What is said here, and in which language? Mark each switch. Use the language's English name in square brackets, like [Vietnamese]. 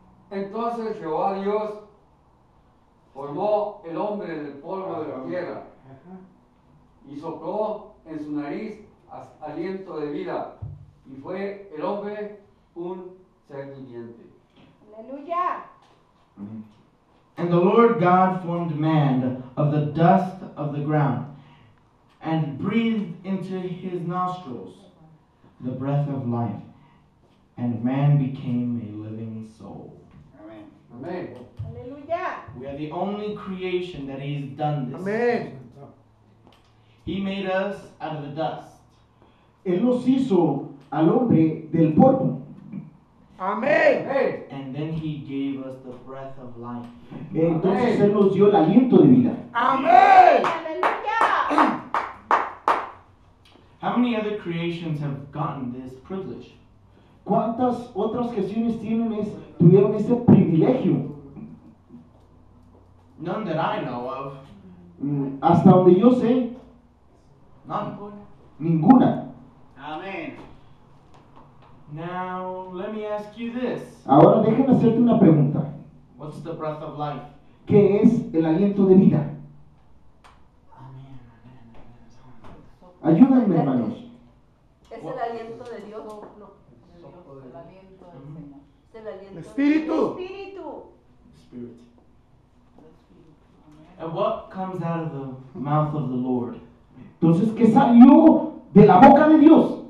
[Spanish] Entonces Jehová Dios formó el hombre del polvo de la tierra y sopló en su nariz aliento de vida, y fue el hombre un ser viviente. Aleluya. [English] And the Lord God formed man of the dust of the ground and breathed into his nostrils the breath of life, and man became a living soul. Amen. Amen. Hallelujah. We are the only creation that he's done this. Amen. He made us out of the dust. [Spanish] Él nos hizo al hombre del polvo. [English] Amen. And then he gave us the breath of life. [Spanish] Entonces él nos dio el aliento de vida. [English] Amen. Hallelujah. How many other creations have gotten this privilege? [Spanish] ¿Cuántas otras creaciones tuvieron este privilegio? [English] None that I know of. [Spanish] Hasta donde yo sé. [English] None. [Spanish] Ninguna. [English] Amen. Now, let me ask you this. [Spanish] Ahora déjame hacerte una pregunta. What's the breath of life? ¿Qué es el aliento de vida? Ayúdenme, hermanos. ¿Es el aliento de Dios? No, no. Es el aliento del Señor. Es el aliento del Espíritu. Espíritu. [English] Spirit. And what comes out of the mouth of the Lord? [Spanish] Entonces, ¿qué salió de la boca de Dios?